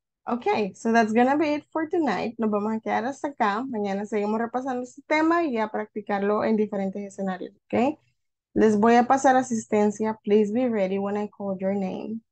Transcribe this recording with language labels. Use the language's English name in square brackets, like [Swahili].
[English] Okay, so that's going to be it for tonight. [Spanish] Nos vamos a quedar hasta acá. Mañana seguimos repasando este tema y a practicarlo en diferentes escenarios, okay? Les voy a pasar asistencia. [English] Please be ready when I call your name.